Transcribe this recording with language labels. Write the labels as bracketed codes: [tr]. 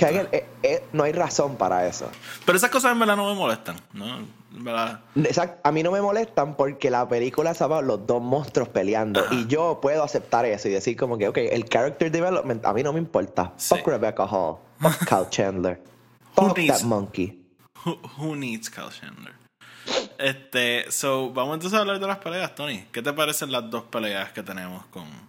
[es] Que no hay razón para eso. Pero esas cosas en verdad no me molestan, ¿no? En verdad. Exacto. A mí no me molestan porque la película se va a los dos monstruos peleando. Ajá. Y yo puedo aceptar eso y decir como que, ok, el [en] character development [es] a mí no me importa. [en] Sí. Fuck Rebecca Hall. Fuck Kyle Chandler. Fuck that monkey. Who needs Kyle Chandler? [es] So, vamos entonces a hablar de las peleas, Tony. ¿Qué te parecen las dos peleas que tenemos con...